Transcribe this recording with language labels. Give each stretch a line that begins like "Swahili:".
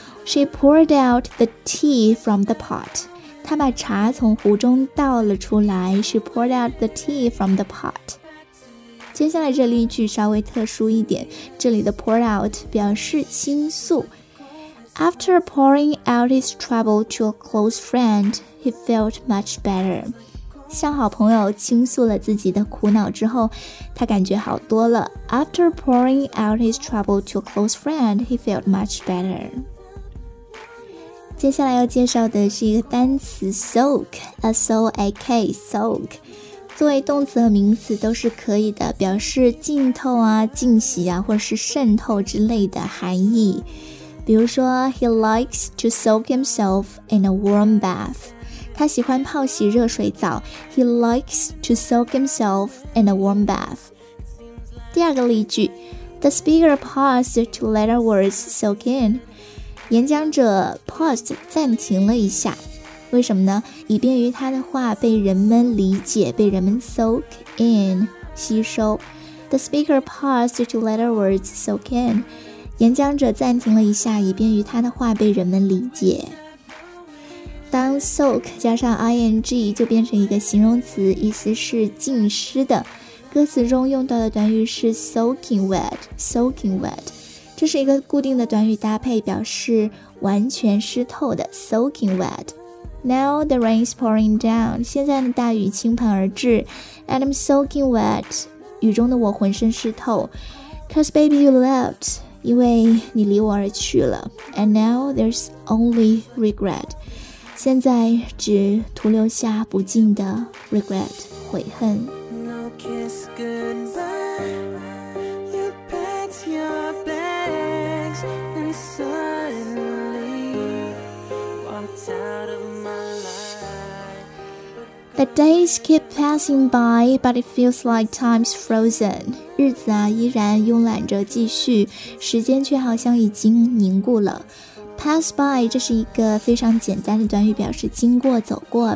English: She poured out the tea from the pot,
Chinese: 她把茶从壶中倒了出来。
English: She poured out the tea from the pot。
Chinese: 接下来这例句稍微特殊一点，这里的 pour out 表示倾诉。
English: After pouring out his trouble to a close friend, he felt much better.
Chinese: 向好朋友倾诉了自己的苦恼之后，他感觉好多了。
English: After pouring out his trouble to a close friend, he felt much better.
Chinese: 接下来要介绍的是一个单词 soak, S-O-A-K, soak. 作为动词和名词都是可以的，表示浸透啊、浸洗啊，或者是渗透之类的含义。比如说
English: He likes to soak himself in a warm bath,
Chinese: 他喜欢泡洗热水澡。
English: He likes to soak himself in a warm bath。
Chinese: 第二个例句，
English: The speaker paused to let our words soak in,
Chinese: 演讲者
English: paused
Chinese: 暂停了一下，为什么呢？以便于他的话被人们理解，被人们 soak in, 吸收。
English: The speaker paused to let our words soak in,
Chinese: 演讲者暂停了一下，以便于他的话被人们理解。当 soak 加上 ing 就变成一个形容词，意思是浸湿的。歌词中用到的短语是 soaking wet， soaking wet， 这是一个固定的短语搭配，表示完全湿透的 soaking wet。
English: Now the rain is pouring down，
Chinese: 现在的大雨倾盆而至。
English: And I'm soaking wet，
Chinese: 雨中的我浑身湿透。
English: Cause baby you left，
Chinese: 因为你离我而去了。
English: And now there's only regret，
Chinese: 现在只徒留下不尽的
English: regret，
Chinese: 悔恨。
English: Kiss goodbye. You packed your bags and suddenly walked out of my life. The days keep passing by, but it feels like time's frozen.
Chinese: 日子啊，依然慵懒着继续，时间却好像已经凝固了。 Pass by， 这是一个非常简单的短语，表示经过、走过。